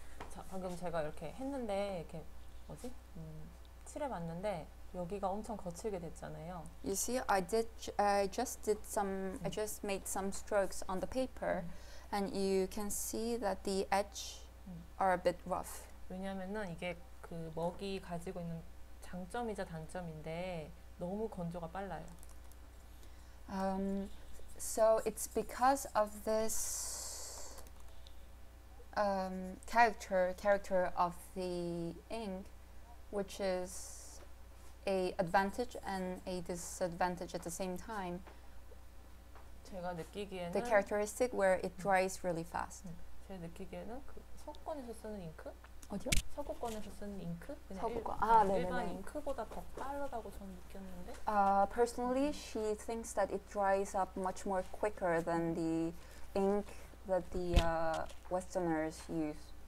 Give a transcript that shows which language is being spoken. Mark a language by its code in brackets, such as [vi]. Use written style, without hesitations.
[ko] 자, 방금 제가 이렇게 했는데 이렇게 뭐지? 칠해 봤는데 여기가 엄청 거칠게 됐잖아요. [en] You see I just did some I just made some strokes on the paper and you can see that the edge are a bit rough. [ko] 왜냐면은 이게 그 먹이 가지고 있는 장점이자 단점인데 너무 건조가 빨라요. [en] So it's because of this character of the ink, which is a advantage and a disadvantage at the same time. [ko] 제가 느끼기에는 [en] the characteristic where it dries really fast. [ko] 제가 느끼기에는 그 소권에서 쓰는 잉크? 어디요? 서구권에서 쓰는 잉크? 서구권. 일반, 아, 네네네. 일반 잉크보다 더 빠르다고 저는 느꼈는데. [en] Personally, she thinks that it dries up much more quicker than the ink that the Westerners use.